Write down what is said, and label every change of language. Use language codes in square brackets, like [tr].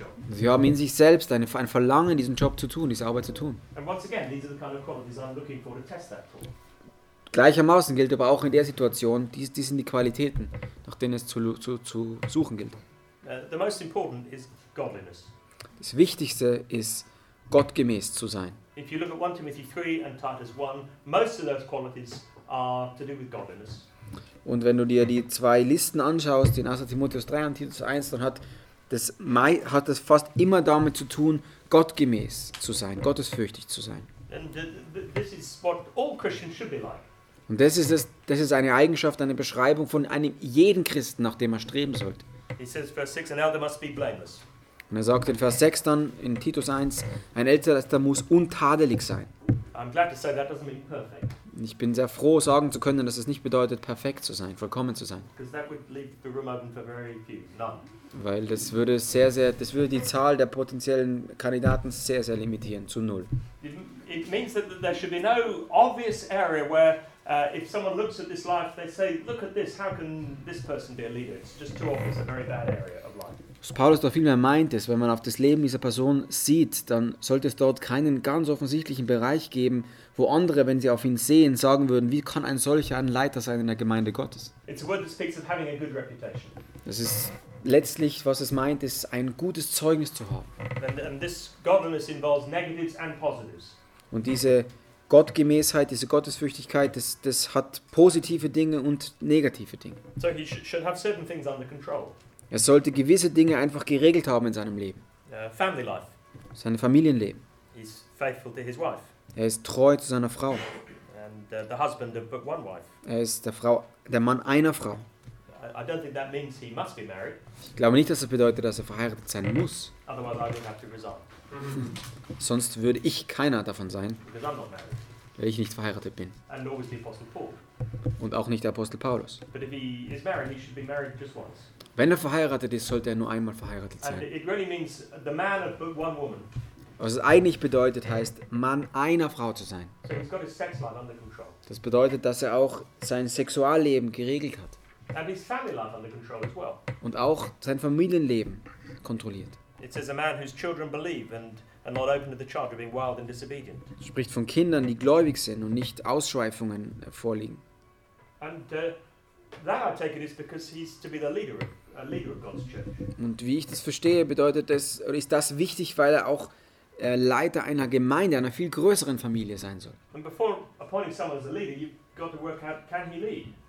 [de] Sie haben in sich selbst ein Verlangen, diesen Job zu tun, diese Arbeit zu tun. [en] And once again, these are the kind of qualities I'm looking for to test that for. [de] Gleichermaßen gilt aber auch in der Situation, die sind die Qualitäten, nach denen es zu suchen gilt. [en] The most important is godliness. [de] Das Wichtigste ist, gottgemäß zu sein. [en] If you look at 1 Timothy 3 and Titus 1, most of those qualities are to do with godliness. [de] Und wenn du dir die zwei Listen anschaust, in 1. Timotheus 3 und Titus 1, dann hat das fast immer damit zu tun, gottgemäß zu sein, gottesfürchtig zu sein. [en] And this is what all Christians should be like. [de] Und das ist eine Eigenschaft, eine Beschreibung von einem jeden Christen, nach dem er streben sollte. [en] He says verse 6, an elder must be blameless. [de] Und er sagt in Vers 6 dann in Titus 1, ein Ältester muss untadelig sein. [en] I'm glad to say that doesn't mean perfect. [de] Ich bin sehr froh, sagen zu können, dass es nicht bedeutet, perfekt zu sein, vollkommen zu sein. [en] Because that would leave the room open for very few, none. [de] Weil das würde die Zahl der potenziellen Kandidaten sehr, sehr limitieren, zu null. [en] It means that there should be no obvious area where if someone looks at this life, they say, look at this, how can this person be a leader? It's just too obvious, a very bad area of life. [de] Was Paulus doch vielmehr meint, ist, wenn man auf das Leben dieser Person sieht, dann sollte es dort keinen ganz offensichtlichen Bereich geben, wo andere, wenn sie auf ihn sehen, sagen würden, wie kann ein solcher ein Leiter sein in der Gemeinde Gottes? [en] It's a word that speaks of having a good reputation. [de] Das ist letztlich, was es meint, ist, ein gutes Zeugnis zu haben. [en] And this godliness involves negatives and positives. [de] Und diese Gottgemäßheit, diese Gottesfürchtigkeit, das hat positive Dinge und negative Dinge. [en] So he should have certain things under control. [de] Er sollte gewisse Dinge einfach geregelt haben in seinem Leben. [en] Family life. [de] Sein Familienleben. [en] He's faithful to his wife. [de] Er ist treu zu seiner Frau. [en] And the husband of but one wife. [de] Er ist der Mann einer Frau. [en] I don't think that means he must be married. [de] Ich glaube nicht, dass das bedeutet, dass er verheiratet sein muss. [en] Otherwise I would have to resign. [de] Sonst würde ich keiner davon sein, [en] because I'm not married. [de] Weil ich nicht verheiratet bin. [en] And nor is the Apostle Paul. [de] Und auch nicht der Apostel Paulus. [en] But if he is married, he should be married just once. [de] Wenn er verheiratet ist, sollte er nur einmal verheiratet sein. [en] It really means the man of one woman. [de] Was es eigentlich bedeutet, heißt, Mann einer Frau zu sein. [en] So he's got his sex life under control. [de] Das bedeutet, dass er auch sein Sexualleben geregelt hat. [en] And his family life under control as well. [de] Und auch sein Familienleben kontrolliert. [en] It says a man whose children believe and are not open to the charge of being wild and disobedient. [de] Spricht von Kindern, die gläubig sind und nicht Ausschweifungen vorliegen. [en] And that I take it is because he's to be the leader of a leader of God's church. [de] Und wie ich das verstehe, bedeutet das oder ist das wichtig, weil er auch Leiter einer Gemeinde, einer viel größeren Familie sein soll. [en] And before appointing someone as a leader, you've got to work out, can he lead?